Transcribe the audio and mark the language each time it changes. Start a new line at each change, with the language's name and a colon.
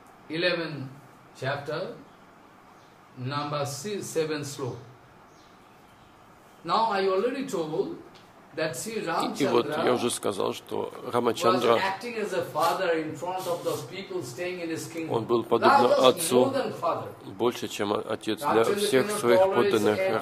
English: 11 chapter, number 7 slok. Now I already told that Sri Ramachandra.
Russian: И вот я уже сказал, что Рамачандра.
English: Was acting as a father in front of those people staying in his kingdom.
Russian: Он был подобно отцу, больше чем отец для всех своих подданных.